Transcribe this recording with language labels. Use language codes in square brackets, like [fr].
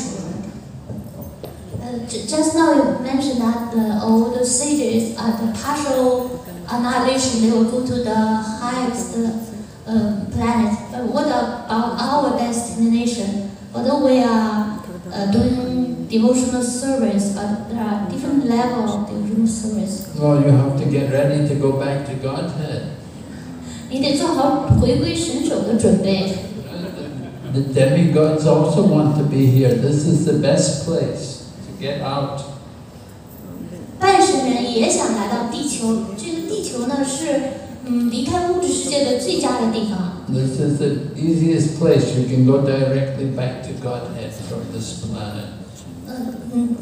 [zh] 对，那个您说圣人到了毁灭的时候，圣人都走了，剩下我们怎么着？我们不想在这地球待，也想回去，但是服务奉献服务呢，烧毁我们每个人的业报，但是服务成面不一样，到那个时候。Just [en] now you mentioned that the old sages at the partial annihilation, they will go to the highest. Planet, but what about our destination? Although we are doing devotional service, but there are different levels of devotional service. Well, you have to get ready to go back to Godhead. [zh] 你得做好回归神手的准备。 [en] The demigods also want to be here. This is the best place to get out. [zh] 半神人也想来到地球，这个地球呢是。 [en] This is the easiest place. You can go directly back to Godhead from this planet.